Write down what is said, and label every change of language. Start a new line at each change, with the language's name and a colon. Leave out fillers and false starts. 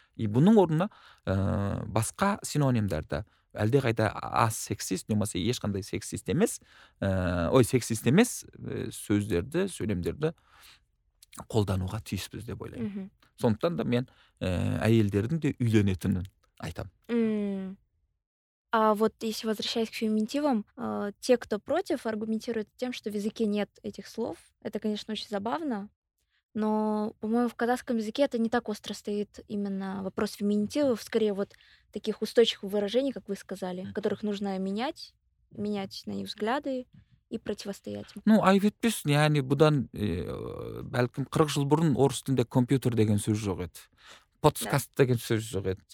Kazakh: И бұның орнына басқа синонимдерді, әлде қайда аз сексист, немесе ешқандай сексист емес, сексист емес сөздерді, сөйлемдерді қолдануға тиіспіз деп ойлаймын. Сондықтан да мен әйелдердің де үйленетінін айтам.
Russian: А вот если возвращаясь к феминитивам, те, кто против, аргументируют тем, что в языке нет этих слов. Это, конечно, очень забавно, но, по-моему, в казахском языке это не так остро стоит именно вопрос феминитивов, скорее вот таких устойчивых выражений, как вы сказали, которых нужно менять на их взгляды и противостоять.
Kazakh: Айтпыз, яғни бұдан бәлкім 40 жыл бұрын орыс тілінде компьютер деген сөз жоқ еді. Подкаст деген сөз жоқ еді.